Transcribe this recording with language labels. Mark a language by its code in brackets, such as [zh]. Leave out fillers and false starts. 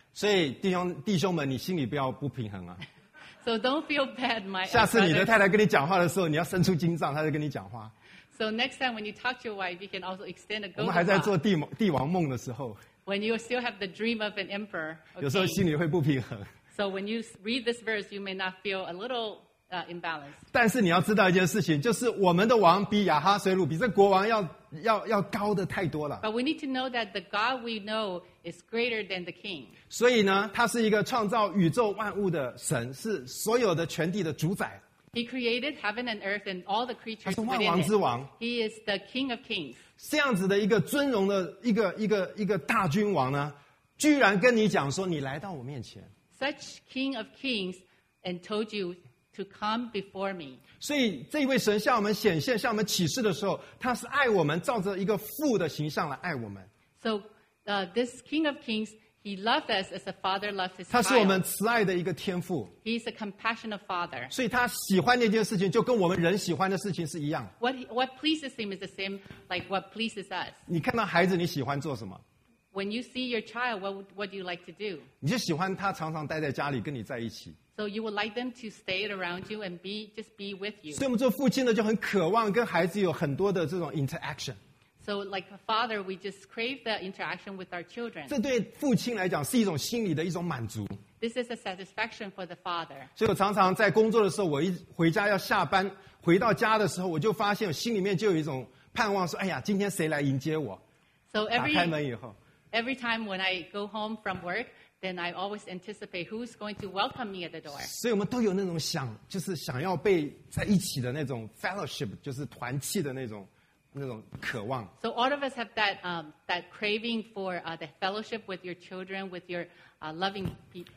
[zh] 所以弟兄们，你心里不要不平衡啊。 [en] So don't feel bad, my. [zh] 下次你的太太跟你讲话的时候，你要伸出金杖，她就跟你讲话。 [en] So next time when you talk to your wife, you can also extend a golden. [zh] 我们还在做帝王梦的时候。 [en] When you still have the dream of an emperor.、Okay. [zh] 有时候心里会不平衡。 [en] So when you read this verse, you may not feel a little. Imbalance. [zh] 但是你要知道一件事情，就是我们的王比亚哈随鲁比这国王要高的太多了。 [en] But we need to know that the God we know is greater than the king. [zh] 所以呢，他是一个创造宇宙万物的神，是所有的全地的主宰。 [en] He created heaven and earth and all the creatures. [zh] 他是万王之王。 [en] He is the king of kings. [zh] 这样子的一个尊荣的一个大君王呢，居然跟你讲说，你来到我面前。 [en] Such king of kings and told you. To come before me. [zh] 所以这位神向我们显现向我们启示的时候他是爱我们照着一个父的形象来爱我们 [en] So, this King of Kings, he loved us as a father loves his child. [zh] 他是我们慈爱的一个天父 [en] He is a compassionate father. [zh] 所以他喜欢那件事情就跟我们人喜欢的事情是一样 [en] What pleases him is the same like what pleases us. [zh] 你看到孩子你喜欢做什么 [en] When you see your child, what do you like to do? [zh] 你就喜欢他常常待在家里跟你在一起 [en] So you would like them to stay around you and be with you. [zh] 所以我们做父亲的就很渴望跟孩子有很多的这种 interaction. [en] So like a father, we just crave the interaction with our children. [zh] 这对父亲来讲是一种心理的一种满足。 [en] This is a satisfaction for the father. [zh] 所以我常常在工作的时候，我一回家要下班，回到家的时候，我就发现心里面就有一种盼望，说：“哎呀，今天谁来迎接我？” [en] So every [zh] 打开门以后 [en] ，every time when I go home from work. Then I always anticipate who's going to welcome me at the door. [zh] 所以我们都有那种想，就是想要被在一起的那种 fellowship， 就是团契的那种渴望。 [en] So all of us have that that craving for the fellowship with your children, with your loving people.